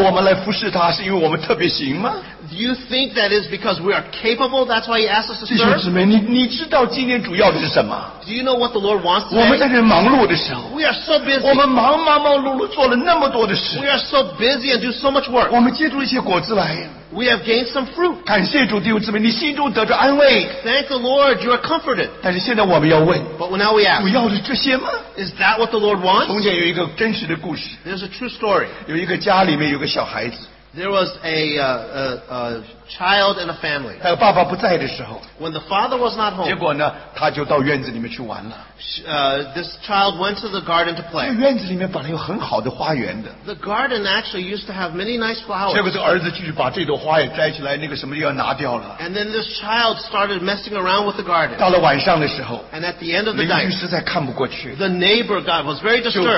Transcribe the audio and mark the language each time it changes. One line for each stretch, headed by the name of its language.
Chinese: 你以为主要我们来服侍他是因为我们特别行吗?
English: Do you think that is because we are capable? That's why he asks us to serve.
Chinese: 弟兄姊妹, 你知道今天主要的是什么?
English: Do you know what the Lord wants today?
Chinese: 我们在这忙碌的时候,
English: we are so busy.
Chinese: 我们忙忙碌碌做了那么多的事,
English: we are so busy and do so much work.
Chinese: 我们结出一些果子来,
English: we have gained some fruit.
Chinese: 感谢主弟兄姊妹, 你心中得着安慰,
English: thank the Lord, you are comforted.
Chinese: 但是现在我们要问,
English: but now we ask,
Chinese: 主要的这些吗?
English: Is that what the Lord wants?
Chinese: 从前有一个真实的故事,
English: there's a true story.
Chinese: 有一个家里面有个小孩子,
English: there was a child and a family.
Chinese: 还有爸爸不在的时候,
English: when the father was not home,
Chinese: 结果呢, 他就到院子里面去玩了,
English: this child went to the garden to play.
Chinese: 这院子里面本来有很好的花园的,
English: the garden actually used to have many nice flowers.
Chinese: 结果这儿子继续把这朵花也摘起来, 那个什么又要拿掉了,
English: and then this child started messing around with the garden.
Chinese: 到了晚上的时候,
English: and at the end of the night,
Chinese: 邻居实在看不过去,
English: the neighbor guy was very disturbed.